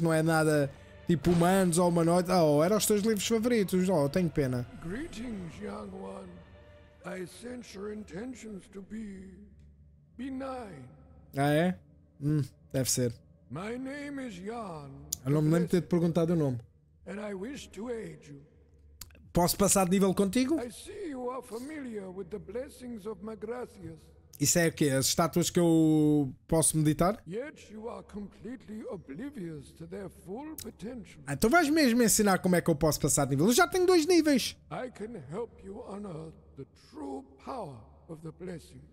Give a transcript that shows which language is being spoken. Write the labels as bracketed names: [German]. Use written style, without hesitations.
[Portuguese] Não é nada tipo humanos ou humanoides? Oh, eram os teus livros favoritos. Oh, tenho pena. [English] Greetings, young one. I sense your intentions to be benign. [Portuguese] Ah, é? Deve ser. [English] My name is Jan. [Portuguese] Eu não me lembro de ter-te perguntado o nome. [English] And I wish to aid you. [Portuguese] Posso passar de nível contigo? [English] I see you are familiar with the blessings of Magrathius. [Portuguese] Isso é o quê? As estátuas que eu posso meditar? [English] Yet you are completely oblivious to their full potential. [Portuguese] Ah, tu vais mesmo ensinar como é que eu posso passar de nível? Eu já tenho dois níveis. [English] I can help you unearth the true power of the blessing.